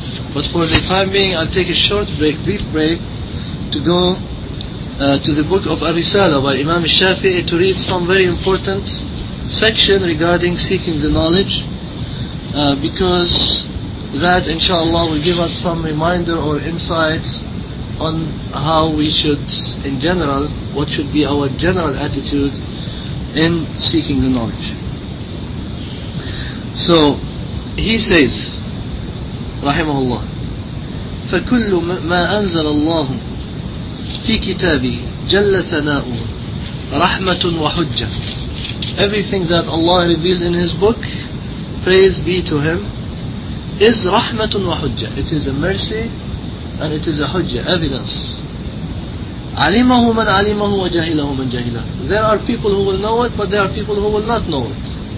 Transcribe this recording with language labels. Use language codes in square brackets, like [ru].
[en] But for the time being, I'll take a short break, brief break, to go to the book of Ar-Risala by Imam Shafi'i to read some very important section regarding seeking the knowledge, because that, inshallah, will give us some reminder or insight on how we should, in general, what should be our general attitude in seeking the knowledge. So he says, [ar] rahimahullah, فَكُلُّ مَا أَنزَلَ اللَّهُ فِي كِتَابِهِ جَلَّ ثَنَاؤُهُ رَحْمَةٌ وَحُجَّةٌ. [en] Everything that Allah revealed in His book, praise be to Him, is [ar] rahmatun wa hujjah. [en] It is a mercy and it is a hujjah, evidence. [ar] عَلِمَهُ مَنْ عَلِمَهُ وَجَهِلَهُ مَنْ جَهِلَهُ. [en] There are people who will know it, but there are people who will not know it.